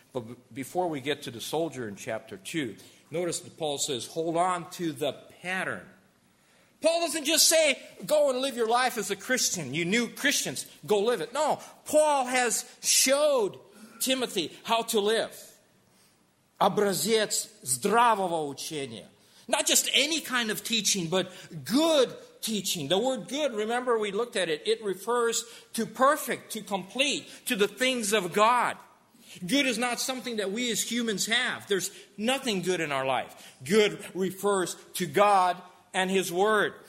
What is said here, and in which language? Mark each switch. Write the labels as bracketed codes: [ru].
[en] But before we get to the soldier in chapter 2, notice that Paul says, hold on to the pattern. Paul doesn't just say, go and live your life as a Christian. You new Christians, go live it. No, Paul has showed Timothy how to live. [ru] Образец здравого учения. [en] Not just any kind of teaching, but good teaching. The word good, remember we looked at it, it refers to perfect, to complete, to the things of God. Good is not something that we as humans have. There's nothing good in our life. Good refers to God and His Word.